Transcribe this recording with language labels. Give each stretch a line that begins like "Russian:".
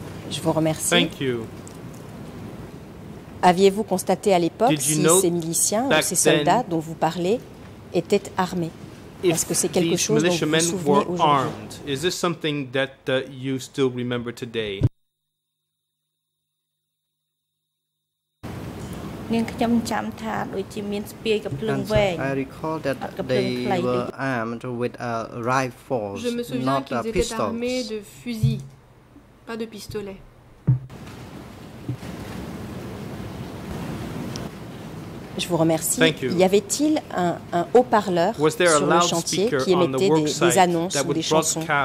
French: Je vous remercie.
English: Thank you.
French: Aviez-vous constaté à l'époque si ces miliciens ou ces soldats dont vous parlez étaient armés? Est-ce que c'est quelque chose dont vous vous souvenez aujourd'hui?
English: Is this something that you still remember today? I recall that they were armed with a rifle, not a pistol.
French: Je me souviens qu'ils étaient armés de fusils, pas de pistolets. Je vous remercie. Y avait-il un haut-parleur sur le chantier qui émettait des annonces ou des chansons?